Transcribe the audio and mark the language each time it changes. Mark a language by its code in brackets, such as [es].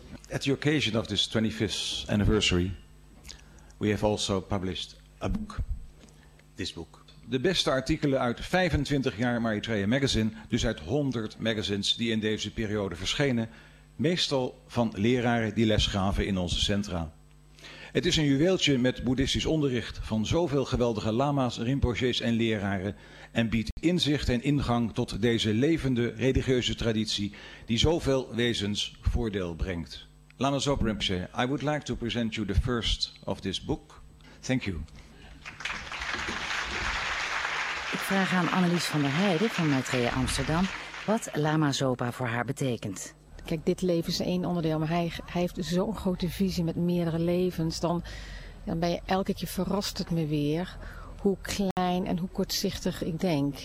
[en] At the occasion of this 25th anniversary, we have also published a book, this book. [nl] De beste artikelen uit 25 jaar Maitreya Magazine, dus uit 100 magazines die in deze periode verschenen, meestal van leraren die les gaven in onze centra. Het is een juweeltje met boeddhistisch onderricht van zoveel geweldige lama's, rinpoches en leraren en biedt inzicht en ingang tot deze levende religieuze traditie die zoveel wezens voordeel brengt. [en] Lama Zopa Rinpoche, I would like to present you the first of this book. Thank you. [nl] Ik vraag aan Annelies van der Heijden van Maitreya Amsterdam wat Lama Zopa voor haar betekent. Kijk, dit leven is één onderdeel, maar hij heeft zo'n grote visie met meerdere levens. Dan ben je elke keer verrast het me weer hoe klein en hoe kortzichtig ik denk.